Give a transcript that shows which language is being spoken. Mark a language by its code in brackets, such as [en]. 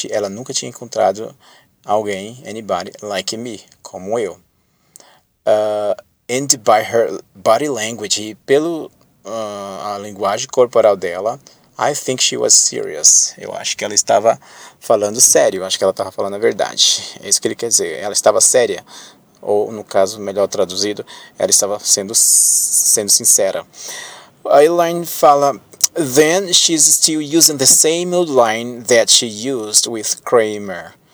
[pt] Ela nunca tinha encontrado alguém, [en] anybody like me, [pt] como eu. [en] And by her body language, [pt] e pelo a linguagem corporal dela, [en] I think she was serious. [pt] Eu acho que ela estava falando sério. Eu acho que ela estava falando a verdade. É isso que ele quer dizer. Ela estava séria. Ou, no caso, melhor traduzido, ela estava sendo sincera. A Elaine fala, [en] then she's still using the same old line that she used with Kramer.